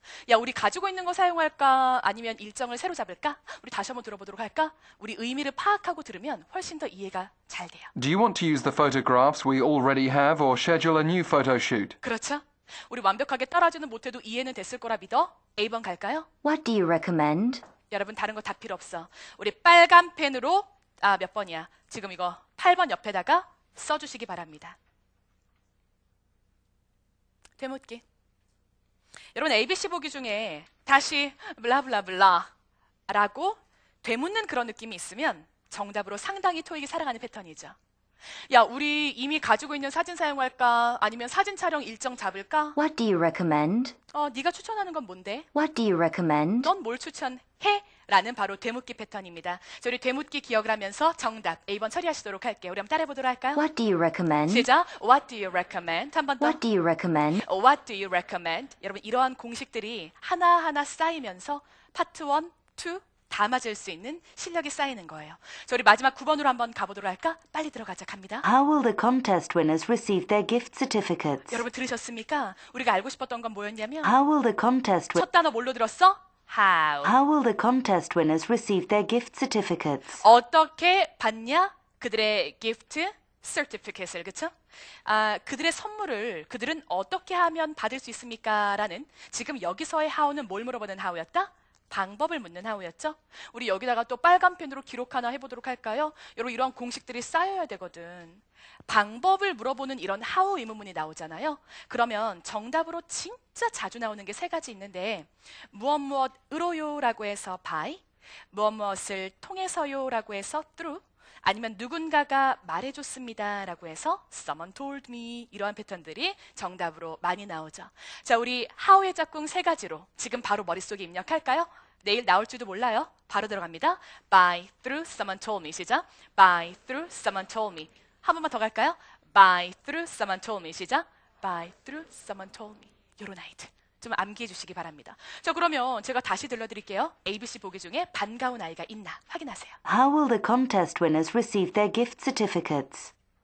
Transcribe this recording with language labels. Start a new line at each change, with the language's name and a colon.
Korean: 야, 우리 가지고 있는 거 사용할까? 아니면 일정을 새로 잡을까? 우리 다시 한번 들어보도록 할까? 우리 의미를 파악하고 들으면 훨씬 더 이해가 잘 돼요.
English: Do you want to use the photographs we already have or schedule a new photo shoot?
Korean: 그렇죠? 우리 완벽하게 따라하지는 못해도 이해는 됐을 거라 믿어? A번 갈까요?
English: What do you recommend?
Korean: 여러분, 다른 거 다 필요 없어. 우리 빨간 펜으로, 아, 몇 번이야? 지금 이거 8번 옆에다가 써주시기 바랍니다. 되묻기. 여러분, ABC 보기 중에 다시 블라블라블라 라고 되묻는 그런 느낌이 있으면 정답으로 상당히 토익이 살아가는 패턴이죠. 야, 우리 이미 가지고 있는 사진 사용할까? 아니면 사진 촬영 일정 잡을까?
English: What do you recommend?
Korean: 네가 추천하는 건 뭔데?
English: What do you recommend?
Korean: 넌 뭘 추천해? 라는 바로 되묻기 패턴입니다. 자, 우리 되묻기 기억을 하면서 정답 A번 처리하시도록 할게요. 우리 한번 따라해 보도록 할까요?
English: What do you recommend?
Korean: 시작!
English: What do you recommend?
Korean: 한 번 더.
English: What do you recommend? What do you recommend?
Korean: 여러분, 이러한 공식들이 하나하나 쌓이면서 파트 1, 2, 다 맞을 수 있는 실력이 쌓이는 거예요. 저 우리 마지막 9번으로 한번 가보도록 할까? 빨리 들어가자, 갑니다.
English: How will the contest winners receive their gift certificates?
Korean: 여러분, 들으셨습니까? 우리가 알고 싶었던 건 뭐였냐면
English: How will the contest
Korean: winners 첫 단어 뭘로 들었어? How.
English: How will the contest winners receive their gift certificates?
Korean: 어떻게 받냐? 그들의 gift certificates을, 그쵸? 아, 그들의 선물을 그들은 어떻게 하면 받을 수 있습니까? 라는 지금 여기서의 how는 뭘 물어보는 how였다? 방법을 묻는 하우였죠? 우리 여기다가 또 빨간 펜으로 기록 하나 해보도록 할까요? 여러분, 이런 공식들이 쌓여야 되거든. 방법을 물어보는 이런 하우 의문문이 나오잖아요. 그러면 정답으로 진짜 자주 나오는 게 세 가지 있는데 무엇 무엇으로요? 라고 해서 by, 무엇 무엇을 통해서요? 라고 해서 through, 아니면 누군가가 말해줬습니다 라고 해서
English: someone told me,
Korean: 이러한 패턴들이 정답으로 많이 나오죠. 자, 우리 how의 짝꿍 세 가지로 지금 바로 머릿속에 입력할까요? 내일 나올지도 몰라요. 바로 들어갑니다.
English: by, through, someone told me.
Korean: 시작.
English: by, through, someone told me.
Korean: 한 번만 더 갈까요?
English: by, through, someone told me. 시작. by, through, someone told me.
Korean: 요런 아이들 좀 암기해 주시기 바랍니다. 자, 그러면 제가 다시 들려드릴게요. ABC 보기 중에 반가운 아이가 있나 확인하세요.
English: How will the contest winners receive their gift certificates?